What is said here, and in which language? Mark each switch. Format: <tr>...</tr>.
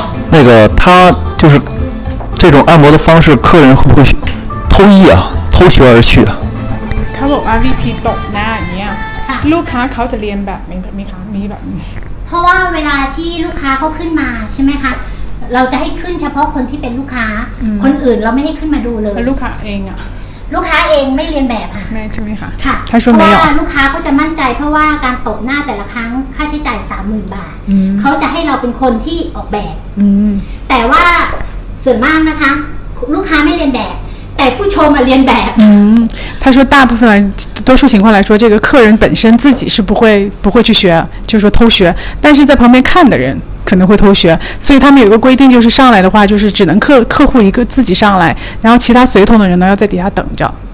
<zh>那个他就是这种按摩的方式，客人会不会偷衣啊？偷学而去啊？他问我啊，</zh> <th>วิธีตบหน้าอย่างเงี้ย，ลูกค้าเขาจะเรียนแบบมีคำ มีแบบนี้ เพราะว่าเวลาที่ลูกค้าเขาขึ้นมาใช่ไหมคะเราจะให้ขึ้นเฉพาะคนที่เป็นลูกค้าคนอื่นเราไม่ให้ขึ้นมาดูเลย ลูกค้าเองอะ ลูกค้าเองไม่เรียนแบบอะ ไม่ใช่ไหมคะ ค่ะ ถ้าช่วง นี้เพราะลูกค้าก็จะมั่นใจเพราะว่าการตบหน้าแต่ละครั้งค่าใช้จ่าย 30,000 บาทเขาจะให้เราเป็นคนที่ออกแบบแต่ว่าส่วนมากนะคะลูกค้าไม่เรียนแบบแต่ผู้ชมเรียนแบบ</th> <zh>他说大部分多数情况来说这个客人本身自己是不会去学就是说偷学但是在旁边看的人可能会偷学所以他们有个规定就是上来的话就是只能客户一个自己上来然后其他随同的人呢要在底下等着</zh>